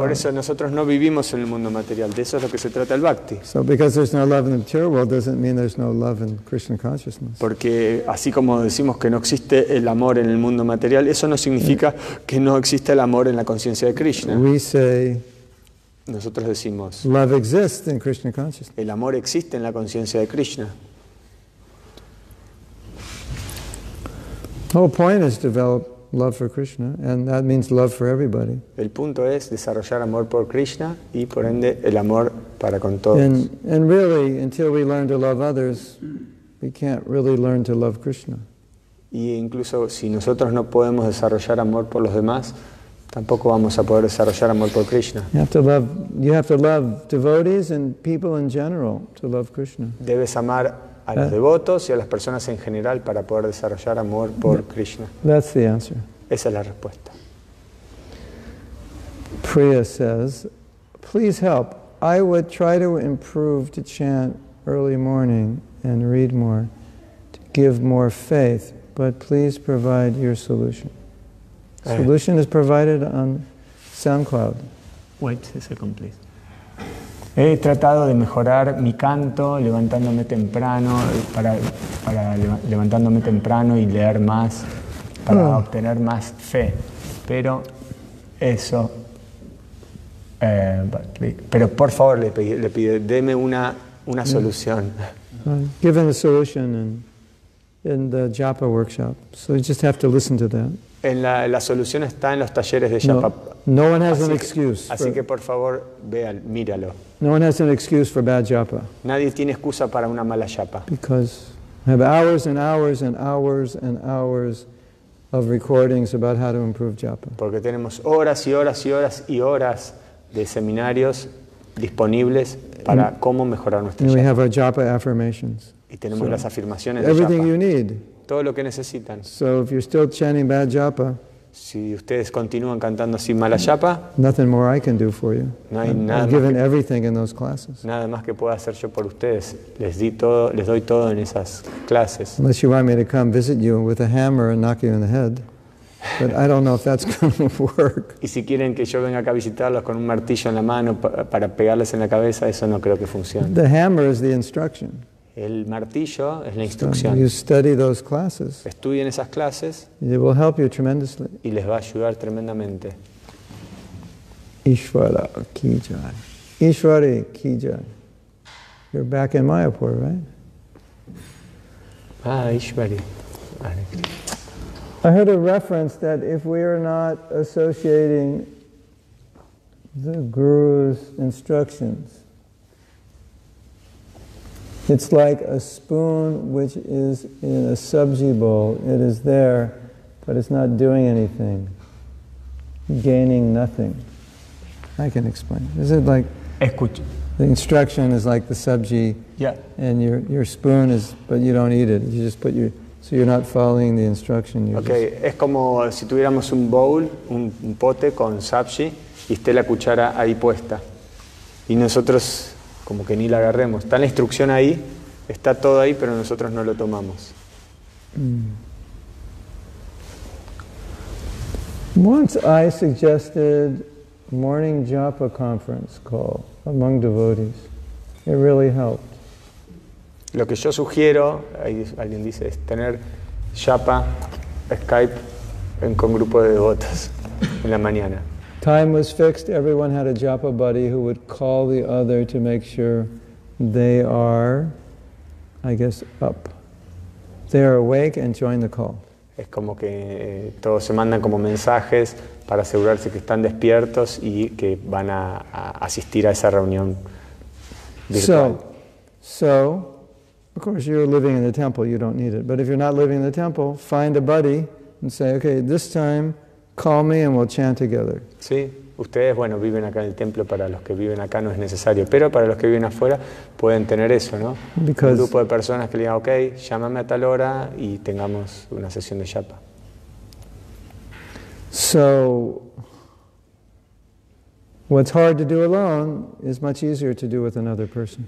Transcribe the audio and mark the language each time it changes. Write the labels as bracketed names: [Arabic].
[Spanish] Por eso nosotros no vivimos en el mundo material. De eso es lo que se trata el bhakti. [English] So because there's no love in the material world doesn't mean there's no love in Krishna consciousness. [Spanish] Porque así como decimos que no existe el amor en el mundo material, eso no significa que no existe el amor en la conciencia de Krishna. [English] We say, [Spanish] nosotros decimos, [English] love exists in Krishna consciousness. [Spanish] El amor existe en la conciencia de Krishna. [English] The whole point is develop love for Krishna, and that means love for everybody. [Spanish] El punto es desarrollar amor por Krishna y, por ende, el amor para con todos. [English] And really, until we learn to love others, we can't really learn to love Krishna. [Spanish] Y incluso si nosotros no podemos desarrollar amor por los demás, tampoco vamos a poder desarrollar amor por Krishna. [English] You have to love devotees and people in general to love Krishna. [Spanish] Debes amar a los devotos y a las personas en general para poder desarrollar amor por Krishna. [English] That's the answer. [Spanish] Esa es la respuesta. [English] Priya says, please help. I would try to improve to chant early morning and read more to give more faith, but please provide your solution. Solution is provided on SoundCloud. Wait a second, please. [Spanish] He tratado de mejorar mi canto levantándome temprano para levantándome temprano y leer más para obtener más fe, pero eso. Pero por favor le pide, deme una solución. [English] Given a solution in the Japa workshop, so you just have to listen to that. [Spanish] En la solución está en los talleres de Japa. [English] No one has an excuse. [Spanish] Así que por favor vea, míralo. [English] No one has an excuse for bad japa. [Spanish] Nadie tiene excusa para una mala japa. [English] Because I have hours and hours and hours and hours of recordings about how to improve japa. [Spanish] Porque tenemos horas y horas y horas y horas de seminarios disponibles para cómo mejorar nuestra japa. [English] And we have our japa affirmations. [Spanish] Y tenemos las afirmaciones de japa. [English] Everything you need. [Spanish] Todo lo que necesitan. [English] So if you're still chanting bad japa, [Spanish] si ustedes continúan cantando así mala japa, [English] nothing more I can do for you. [Spanish] No hay nada. [English] I've given everything in those classes. [Spanish] Nada más que pueda hacer yo por ustedes. Les doy todo en esas clases. [English] Unless you want me to come visit you with a hammer and knock you in the head, but I don't know if that's going to work. [Spanish] Y si quieren que yo venga acá a visitarlos con un martillo en la mano para pegarles en la cabeza, eso no creo que funcione. [English] The hammer is the instruction. [Spanish] El martillo es la instrucción. [English] So you study those classes. [Spanish] Estudien esas clases. [English] It will help you tremendously. [Spanish] Y les va a ayudar tremendamente. [Hindi] Ishvara ki jai. Ishvara ki jai. [English] You're back in Mayapur, right? Ah, Ishvara. I heard a reference that if we are not associating the Guru's instructions, it's like a spoon which is in a sabji bowl. It is there, but it's not doing anything, gaining nothing. I can explain. Is it like the instruction is like the sabji? Yeah. And your spoon is, but you don't eat it. You just put your, so you're not following the instruction. [Spanish] Okay, es como si tuviéramos un bowl, un pote con sabji, y esté la cuchara ahí puesta. Y nosotros como que ni la agarremos. Está la instrucción ahí, está todo ahí, pero nosotros no lo tomamos. [English] Once I suggested morning japa conference call among devotees. It really helped. [Spanish] Lo que yo sugiero, alguien dice, es tener japa, Skype, con grupo de devotos en la mañana. [English] Time was fixed. Everyone had a japa buddy who would call the other to make sure they are, I guess, up. They are awake and join the call. [Spanish] Es como que todos se mandan como mensajes para asegurarse que están despiertos y que van a asistir a esa reunión virtual. [English] So, of course, you're living in the temple. You don't need it. But if you're not living in the temple, find a buddy and say, okay, this time, call me and we'll chant together. [Spanish] Sí, ustedes, bueno, viven acá en el templo, para los que viven acá no es necesario, pero para los que viven afuera pueden tener eso, ¿no? [English] Because [Spanish] un grupo de personas que le digan, ok, llámame a tal hora y tengamos una sesión de yapa. [English] So, what's hard to do alone is much easier to do with another person.